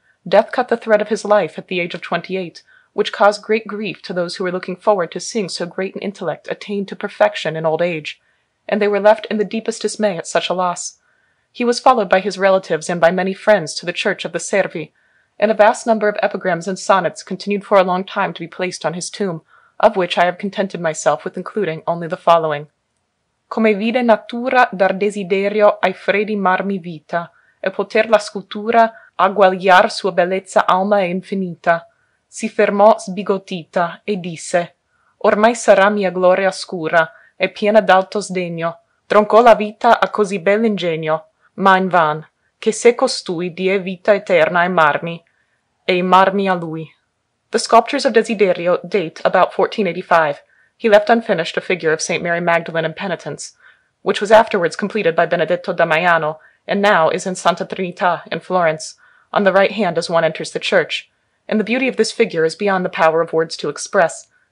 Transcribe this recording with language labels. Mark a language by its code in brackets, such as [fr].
[en] Death cut the thread of his life at the age of 28, which caused great grief to those who were looking forward to seeing so great an intellect attain to perfection in old age, and they were left in the deepest dismay at such a loss. He was followed by his relatives and by many friends to the Church of the Servi, and a vast number of epigrams and sonnets continued for a long time to be placed on his tomb, of which I have contented myself with including only the following. [it] come vide natura dar desiderio ai freddi marmi vita, e poter la scultura agguagliar sua bellezza alma e infinita, si fermò sbigottita e disse: ormai sarà mia gloria scura e piena d'alto sdegno. Troncò la vita a così bell'ingegno, ma in van, che se costui die vita eterna ai marmi, e i marmi a lui. [en] The Sculptors of Desiderio date about 1485. He left unfinished a figure of St. Mary Magdalene in penitence, which was afterwards completed by Benedetto da Maiano, and now is in Santa Trinita in Florence, on the right hand as one enters the church. And the beauty of this figure is beyond the power of words to express.